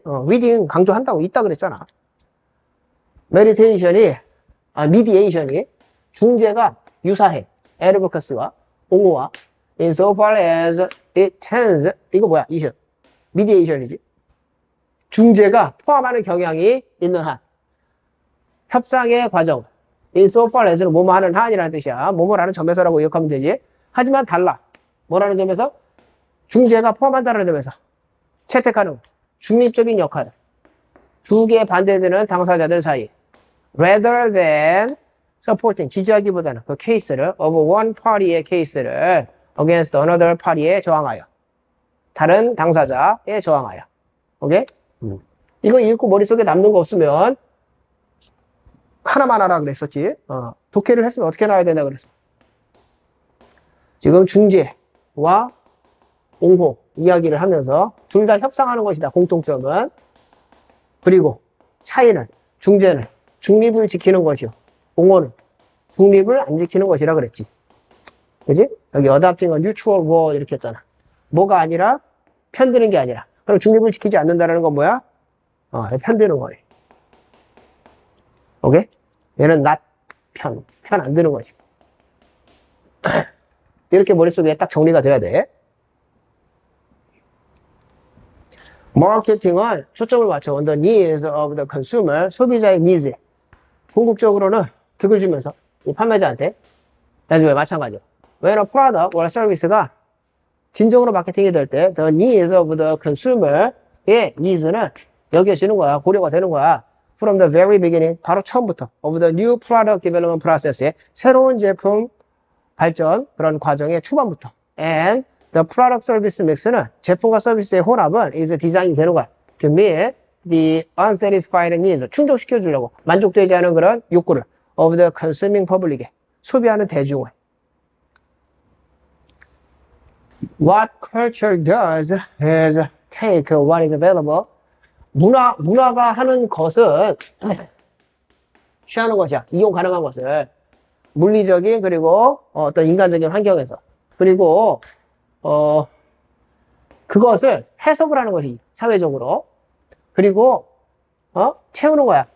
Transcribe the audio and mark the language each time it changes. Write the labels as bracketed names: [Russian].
[Korean] reading 강조한다고 있다 그랬잖아. meditation이, mediation이, 중재가 유사해. advocacy와 옹호와. [English] insofar as it tends, [Korean] 이거 뭐야? 이션. mediation이지. 중재가 포함하는 경향이 있는 한. 협상의 과정. insofar as는 뭐뭐 하는 한이라는 뜻이야. 뭐뭐라는 점에서라고 기억하면 되지. 하지만 달라. 뭐라는 점에서? 중재가 포함한다는 점에서. 채택하는 중립적인 역할. 두 개의 반대되는 당사자들 사이. [English] rather than supporting, [Korean] 지지하기보다는 그 케이스를, [English] of one party의 케이스를 against another party에 [Korean] 저항하여. 다른 당사자에 저항하여. 오케이? 이거 읽고 머릿속에 남는 거 없으면 하나만 하라 그랬었지. 독해를 했으면 어떻게 나와야 된다 그랬어. 지금 중재와 옹호 이야기를 하면서 둘다 협상하는 것이다. 공통점은. 그리고 차이는 중재는 중립을 지키는 것이요. 옹호는 중립을 안 지키는 것이라 그랬지. 그지? 여기 adopting은 mutual war 이렇게 했잖아. 뭐가 아니라 편드는 게 아니라. 그럼 중립을 지키지 않는다는 건 뭐야? 편드는 거래. 오케이? 얘는 낫, 편, 편안 드는 거지. 이렇게 머릿속에 딱 정리가 돼야 돼. 마케팅은 초점을 맞춰 [English] on the needs of the consumer, [Korean] 소비자의 needs에. 궁극적으로는 득을 주면서, 이 판매자한테. 나중에 마찬가지로. [English] When a product or service가 [Korean] 진정으로 마케팅이 될 때, [English] the needs of the consumer의 [Korean] needs는 여겨지는 거야, 고려가 되는 거야. [English] From the very beginning, [Korean] 바로 처음부터, [English] of the new product development process [Korean] 의 새로운 제품 발전, 그런 과정의 초반부터. [English] And The product service mix는 [Korean] 제품과 서비스의 혼합은 이제 디자인이 되는 거야. [English] To meet the unsatisfying needs, [Korean] 충족시켜주려고 만족되지 않은 그런 욕구를 [English] of the consuming public에 [Korean] 소비하는 대중을. [English] What culture does is take what is available. [Korean] 문화가 하는 것은 취하는 것이야. 이용 가능한 것을 물리적인 그리고 어떤 인간적인 환경에서 그리고 그것을 해석을 하는 것이 사회적으로 그리고 채우는 거야.